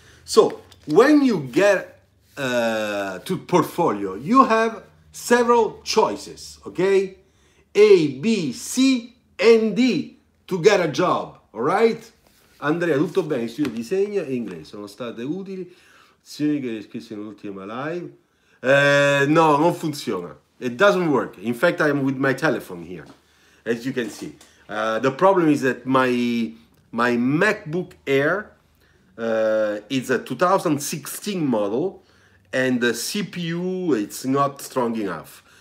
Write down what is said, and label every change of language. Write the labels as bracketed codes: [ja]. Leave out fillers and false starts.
[en] So when you get to portfolio, you have several choices, okay? A, B, C, and D to get a job, all right? [it] Andrea, tutto bene, studio disegno e inglese, sono state utili, sì, che scrissi nell'ultima live. No, non funziona, [en] it doesn't work. In fact, I'm with my telephone here, as you can see. The problem is that my MacBook Air is a 2016 model, and the CPU, it's not strong enough.